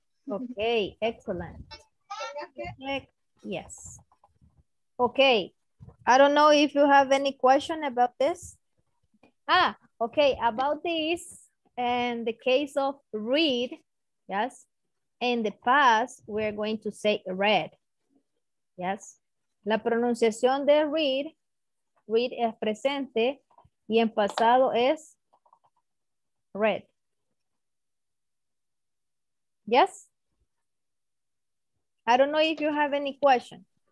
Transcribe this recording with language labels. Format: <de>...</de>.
<en>Okay, excellent. Yes. Okay, I don't know if you have any question about this. Ah, okay, about this and the case of read, yes. In the past, we're going to say read. Yes.</en> <es>La pronunciación de read, read es presente y en pasado es read.</es> <en>Yes. I don't know if you have any question.</en>